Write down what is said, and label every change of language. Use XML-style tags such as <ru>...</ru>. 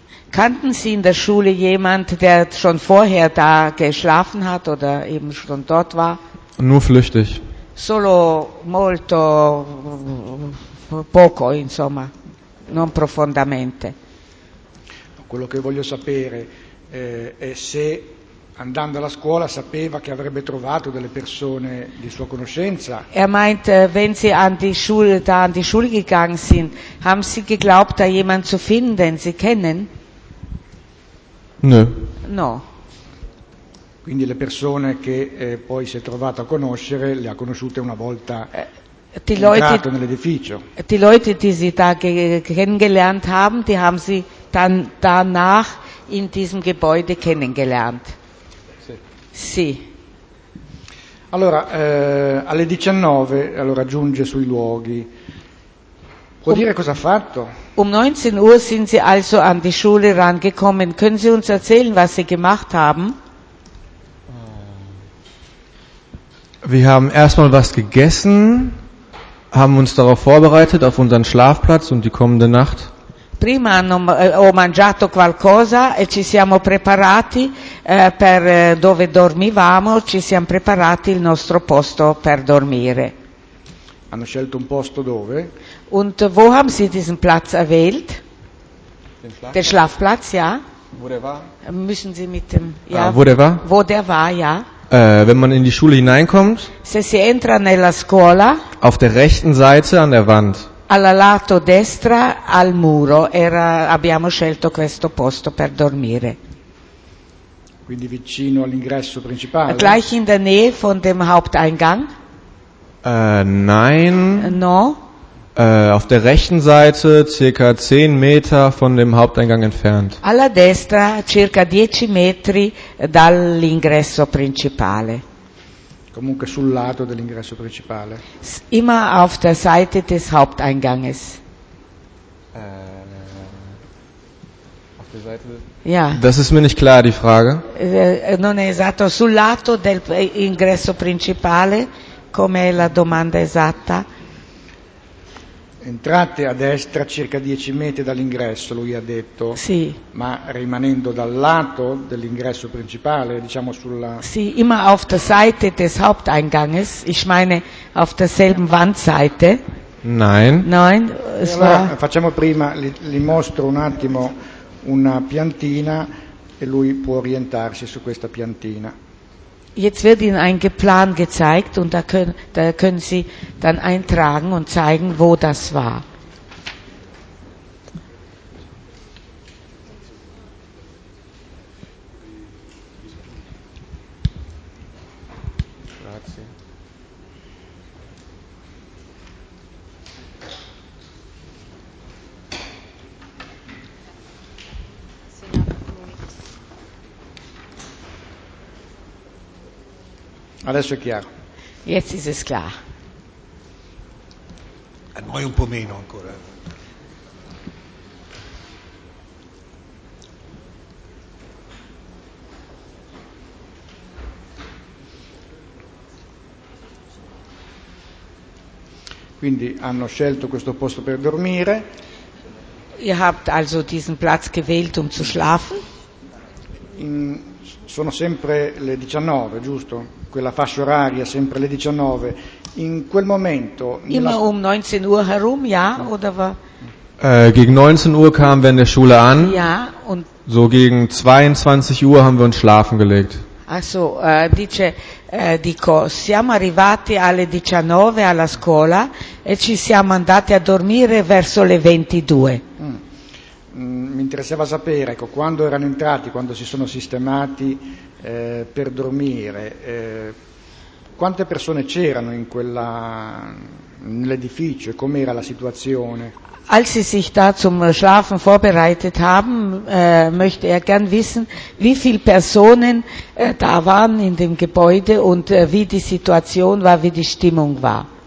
<de>Kannten Sie in der Schule jemanden, der schon vorher da geschlafen hat oder eben schon dort war? Nur flüchtig.</de> <it>Solo molto poco, insomma, non profondamente. Quello che voglio sapere è se andando alla scuola sapeva che avrebbe trovato delle persone di sua conoscenza.</it> <de>Er meint, wenn sie an die Schule, da an die Schule gegangen sind, haben sie geglaubt, da jemand zu finden, den sie kennen? Nö.</de> <it>No. Quindi le persone che poi si è trovato a conoscere le ha conosciute una volta entrato nell'edificio.</it> <de>Die Leute, die sie da kennengelernt haben, die haben sie dann danach in diesem Gebäude kennengelernt.</de> <it>Sì. Allora, alle 19 allora giunge sui luoghi. Può dire cosa ha fatto?</it> <de>Um 19 Uhr sind sie also an die Schule rangekommen. Können Sie uns erzählen, was sie gemacht haben? Wir haben erstmal was gegessen, haben uns darauf vorbereitet auf unseren Schlafplatz und die kommende Nacht.</de> <it>Prima hanno, ho mangiato qualcosa e ci siamo preparati per dove dormivamo, ci siamo preparati il nostro posto per dormire. Hanno scelto un posto dove?</it> <de>Und wo haben Sie diesen Platz erwählt? Den Schlafplatz, ja. Wo der war? Müssen Sie mit dem, ja. Ah, wo der war? Wo der war, ja. Wenn man in die Schule hineinkommt.</de> <it>Se si entra nella scuola.</it> <de>Auf der rechten Seite an der Wand.</de> <it>Alla lato destra al muro era, abbiamo scelto questo posto per dormire. Quindi vicino all'ingresso principale.</it> <de>Gleich in der Nähe von dem Haupteingang? Nein.</de> <it>No.</it> <de>Auf der rechten Seite circa 10 Meter von dem Haupteingang entfernt.</de> <it>Alla destra circa 10 metri dall'ingresso principale. Comunque sul lato dell'ingresso principale.</it> <de>Immer auf der Seite des Haupteinganges. Auf der Seite. Ja. Das ist mir nicht klar, die Frage.</de> <it>Non è esatto sul lato dell'ingresso principale, come è la domanda esatta? Entrate a destra circa 10 metri dall'ingresso, lui ha detto. Sì. Ma rimanendo dal lato dell'ingresso principale, diciamo sulla.</it> <de>Sì, immer auf der Seite des Haupteinganges. Ich meine auf derselben Wandseite. Nein. Nein.</de> <it>Allora, facciamo prima, gli mostro un attimo una piantina e lui può orientarsi su questa piantina.</it> <de>Jetzt wird Ihnen ein Plan gezeigt und da können Sie dann eintragen und zeigen, wo das war.</de> <it>Grazie. Adesso è chiaro.</it> <de>Jetzt ist es klar.</de> <it>A noi un po' meno ancora. Quindi hanno scelto questo posto per dormire.</it> <de>Ihr habt also diesen Platz gewählt, um zu schlafen.</de> <it>Sono sempre le 19, giusto? Quella fascia oraria, sempre le 19. In quel momento.</it> <de>Immer um 19 Uhr herum, ja? No. Oder war? Gegen 19 Uhr kamen wir in der Schule an. Ja, und. So gegen 22 Uhr haben wir uns schlafen gelegt.</de> <it>Also, dice, dico, siamo arrivati alle 19 alla scuola e ci siamo andati a dormire verso le 22. Mi interessava sapere, ecco, quando erano entrati, quando si sono sistemati per dormire, quante persone c'erano in quella, nell'edificio e com'era la situazione?</it> <de>Als sie sich da zum Schlafen vorbereitet haben, möchte er gern wissen, wie viele Personen da waren in dem Gebäude und wie die Situation war, wie die Stimmung war.</de>